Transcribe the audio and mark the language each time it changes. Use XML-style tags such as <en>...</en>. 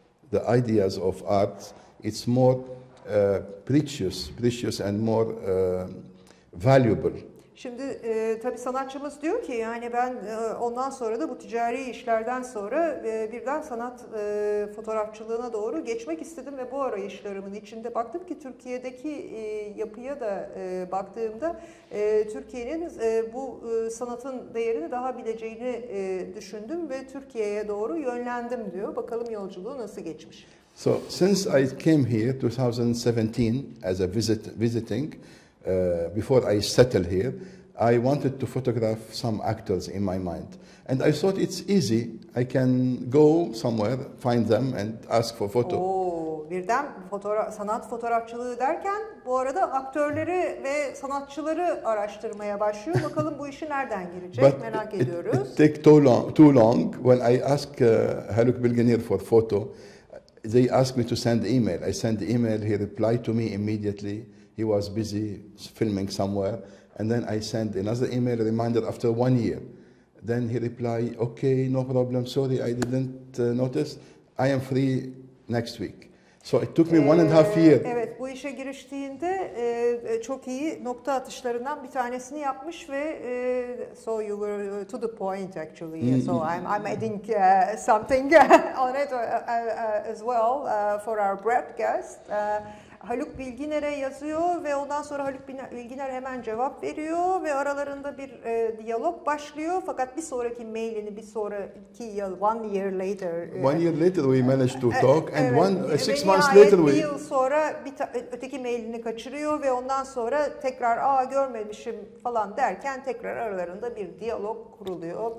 <en>The ideas of art, it's more precious and more valuable.</en> <tr>Şimdi tabii sanatçımız diyor ki yani ben ondan sonra da bu ticari işlerden sonra birden sanat fotoğrafçılığına doğru geçmek istedim ve bu arayışlarımın içinde baktım ki Türkiye'deki yapıya da baktığımda Türkiye'nin bu sanatın değerini daha bileceğini düşündüm ve Türkiye'ye doğru yönlendim diyor. Bakalım yolculuğu nasıl geçmiş.</tr> <en>So since I came here 2017 as a visiting before I settle here, I wanted to photograph some actors in my mind. And I thought it's easy. I can go somewhere, find them and ask for photo.</en> <tr>Oo, birden sanat fotoğrafçılığı derken bu arada aktörleri ve sanatçıları araştırmaya başlıyor. Bakalım bu işi nereden girecek?</tr> <en>But</en> <tr>merak</tr> <en>it,</en> <tr>ediyoruz.</tr> <en>It take too long when I ask Haluk Bilginer for photo. They ask me to send email. I send email, he replied to me immediately. He was busy filming somewhere, and then I sent another email reminder after 1 year. Then he replied, okay, no problem, sorry, I didn't notice. I am free next week. So it took me 1.5 years.</en> <tr>Evet, bu işe giriştiğinde çok iyi nokta atışlarından bir tanesini yapmış ve</tr> <en>so you were to the point actually. Mm-hmm. So I'm adding something on it as well for our broadcast.</en> <tr>Haluk Bilginer'e yazıyor ve ondan sonra Haluk Bilginer hemen cevap veriyor ve aralarında bir diyalog başlıyor. Fakat bir sonraki mailini, bir sonraki yıl,</tr> <en>1 year later. 1 year later we managed to talk and</en> <tr>evet,</tr> <en>six months later</en> <tr>we... Bir yıl sonra öteki mailini kaçırıyor ve ondan sonra tekrar görmemişim falan derken tekrar aralarında bir diyalog kuruluyor.</tr>